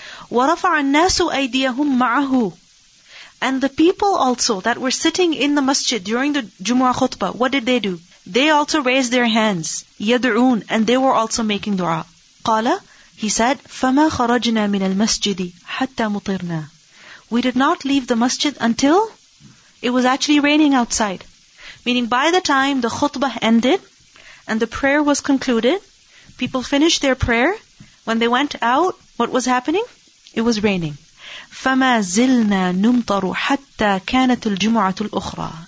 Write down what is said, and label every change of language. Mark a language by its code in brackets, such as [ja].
[ar] ورفع الناس أيديهم معه, [en] and the people also that were sitting in the masjid during the Jumu'ah khutbah, what did they do? They also raised their hands, [ar] يدعون, [en] and they were also making dua. [ar] قال, [en] he said, [ar] فما خرجنا من المسجد حتى مطرنا. [en] We did not leave the masjid until it was actually raining outside. Meaning by the time the khutbah ended and the prayer was concluded, people finished their prayer. When they went out, what was happening? It was raining. [ar] فَمَا زِلْنَا نُمْطَرُ حَتَّى كَانَتُ الْجُمْعَةُ الْأُخْرَى.